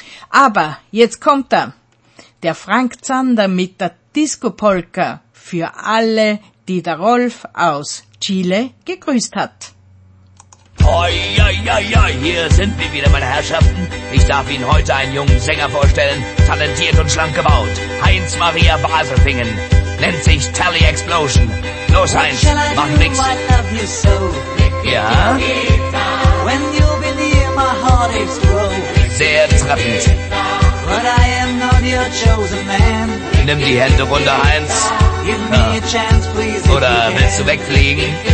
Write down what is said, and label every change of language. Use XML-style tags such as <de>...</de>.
<de>Aber jetzt kommt er, der Frank Zander mit der Disco-Polka für alle, die der Rolf aus Chile gegrüßt hat. Oi, oi, oi, oi, hier sind wir wieder, meine Herrschaften. Ich darf Ihnen heute einen jungen Sänger vorstellen, talentiert und schlank gebaut. Heinz-Maria Baselfingen, nennt sich Tally Explosion. Los, Heinz, mach nix.</de> <en>What shall I do, I love you so? Pick</en> <de>ja?</de> <en>When you'll be near, my heartaches grow.</en> <de>Sehr treffend.</de> <en>But I am not your chosen man.</en> <de>Nimm die Hände runter, Heinz.</de> <en>Give me a chance, please.</en> <de>Oder willst du wegfliegen?</de>